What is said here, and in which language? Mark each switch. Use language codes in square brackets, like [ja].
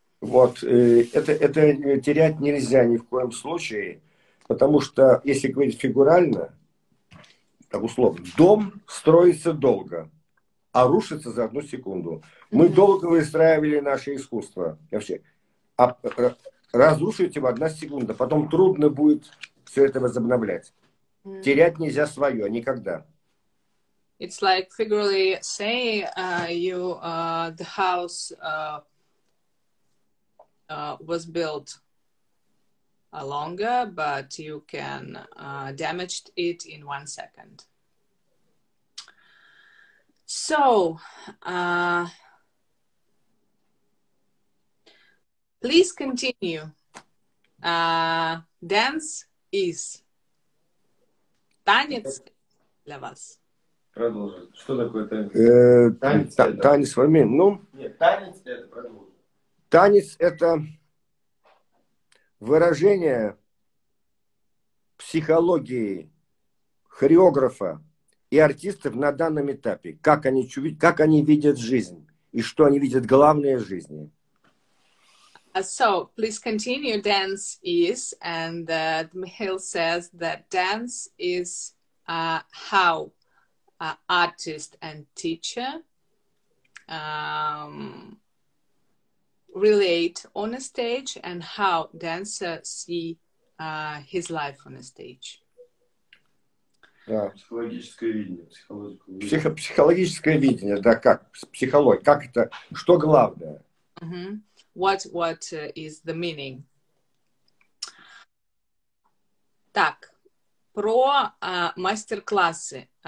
[ru] Вот, это терять нельзя ни в коем случае, потому что, если говорить фигурально, так условно, дом строится долго, а рушится за одну секунду. Мы долго выстраивали наше искусство. Вообще, а разрушить его одна секунда, потом трудно будет все это возобновлять. Терять нельзя свое, никогда. [en] It's like figuratively say you the house was built longer, but you can damage it in one second. So, please continue. Dance is. [ru] Танец для вас. Продолжим. Что такое танец? Танец, танец, это... ну, нет, танец это продолжим. Танец это выражение психологии хореографа и артистов на данном этапе, как они видят жизнь и что они видят главное в жизни. [en] So, please continue. Dance is, and Михаил says that dance is how artist and teacher relate on a stage and how dancer see his life on a stage. [ru] Да. Психологическое видение. Психологическое видение, да, как психология, как это, что главное? [en] What is the meaning? [ru] Так, про мастер-классы.